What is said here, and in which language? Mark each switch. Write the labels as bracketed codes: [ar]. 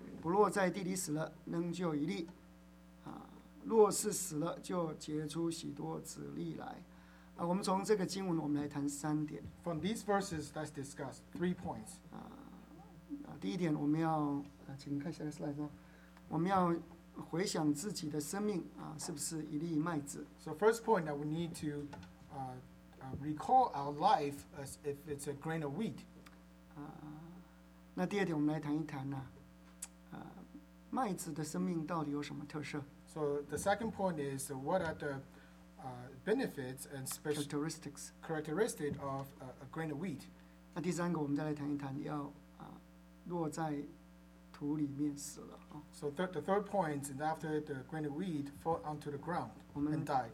[zh] 不落在地里死了，仍就一粒。若是死了，就结出许多子粒来。我们从这个经文，我们来谈三点。From [en] these verses, let's discuss 3 points. [zh] 第一点，我们要请看下一个 slide。我们要回想自己的生命，是不是一粒麦子？So [en] first point that we need to recall our life as if it's a grain of wheat. [zh] 那第二点，我们来谈一谈呢。麦子的生命到底有什么特色？ [en] So the second point is, what are the benefits and special characteristics of a grain of wheat? [zh] 那第三个，我们再来谈一谈，要落在土里面死了。 [en] So the third point is after the grain of wheat fall onto the ground and die.